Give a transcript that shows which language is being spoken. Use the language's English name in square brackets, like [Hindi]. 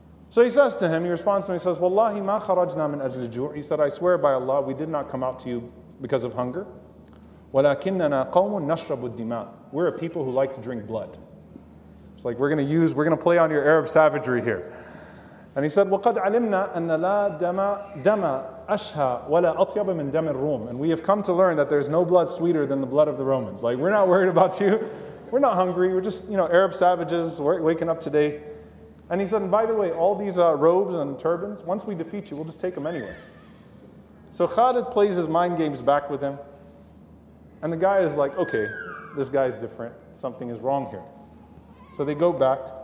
[English] So he says to him, he responds to him, he says, [Arabic] Wallahi ma kharajna min ajli jur. [English] He said, I swear by Allah, we did not come out to you because of hunger. [Arabic] وَلَكِنَّنَا قَوْمٌ نَشْرَبُ الدِّمَاءِ. [English] We're a people who like to drink blood. It's like, we're going to play on your Arab savagery here. And he said, [Arabic] وَقَدْ عَلِمْنَا أَنَّ لَا دَمَا أَشْهَى وَلَا أَطْيَبَ مِنْ دَمِ الرُّومِ. [English] And we have come to learn that there's no blood sweeter than the blood of the Romans. Like, we're not worried about you. We're not hungry. We're just, you know, Arab savages waking up today. And he said, and by the way, all these robes and turbans, once we defeat you, we'll just take them anyway. So Khalid plays his mind games back with him. And the guy is like, okay, this guy's different. Something is wrong here. So they go back.